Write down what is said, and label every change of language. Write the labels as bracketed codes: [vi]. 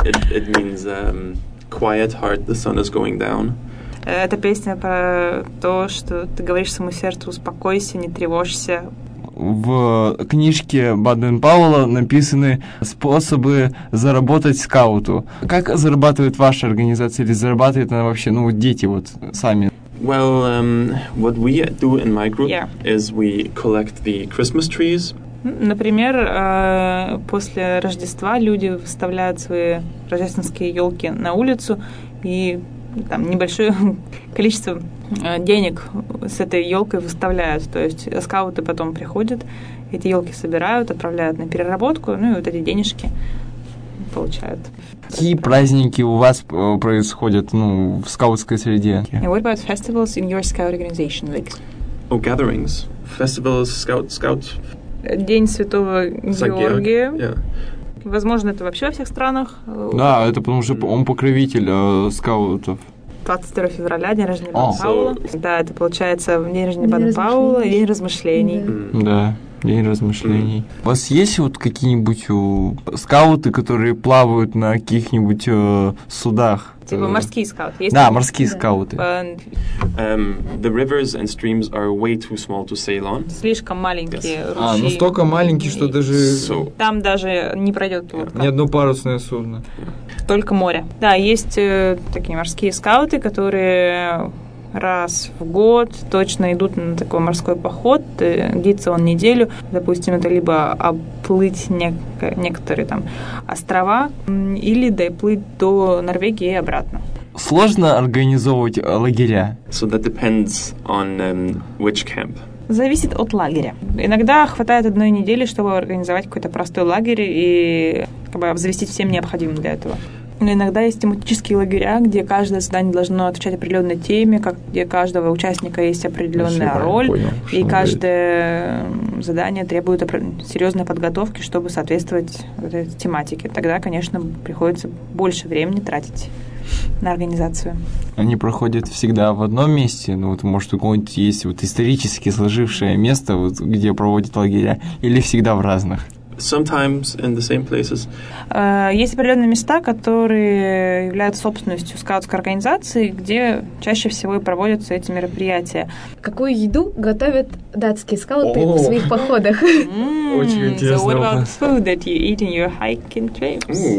[en] It means quiet heart, the sun is going down. [ru] Это песня про то, что ты говоришь своему сердцу, успокойся, не тревожься. В книжке Баден-Пауэлла написаны способы заработать скауту. Как зарабатывает ваша организация или зарабатывает она вообще, ну, дети вот сами? [en] Well, what we do in my group is we collect the Christmas trees. [ru] Например, после Рождества люди выставляют свои рождественские елки на улицу, и там небольшое количество денег с этой елкой выставляют. То есть скауты потом приходят, эти елки собирают, отправляют на переработку, ну и вот эти денежки получают. Какие праздники у вас происходят, ну, в скаутской среде? [en] And what about festivals in your scout organization, like? Oh, gatherings. Festivals, scouts. [ru] День Святого Георгия. [en] Yeah. [ru] Возможно, это вообще во всех странах. Да, это потому что он покровитель скаутов. 22 февраля, день рождения Баден-Пауэлла. Да, это получается день рождения Баден-Пауэлла, день размышлений. Да, день размышлений. У вас есть вот какие-нибудь скауты, которые плавают на каких-нибудь судах? Типа морские скауты. Есть да, такие? Морские скауты. [en] The rivers and streams are way too small to sail on. [ru] Слишком маленькие ручьи. А, ну столько маленькие, что даже... [en] So. [ru] Там даже не пройдет лодка. Ни одно парусное судно. Только море. Да, есть такие морские скауты, которые раз в год точно идут на такой морской поход. Длится он неделю. Допустим, это либо оплыть некоторые там острова, или доплыть до Норвегии и обратно. Сложно организовывать лагеря? [en] So that depends on which camp. [ru] Зависит от лагеря. Иногда хватает одной недели, чтобы организовать какой-то простой лагерь и как бы завести всем необходимым для этого. Но иногда есть тематические лагеря, где каждое задание должно отвечать определенной теме, где каждого участника есть определенная роль, и каждое задание требует серьезной подготовки, чтобы соответствовать вот этой тематике. Тогда, конечно, приходится больше времени тратить на организацию. Они проходят всегда в одном месте? Ну вот, может, у кого-нибудь есть вот исторически сложившее место, вот, где проводят лагеря, или всегда в разных? [en] sometimes in the same places. [ru] Есть определенные места, которые являются собственностью скаутской организации, где чаще всего и проводятся эти мероприятия. Какую еду готовят датские скауты в своих походах? Очень интересно. [en] So what about food that you eat in your hiking trips?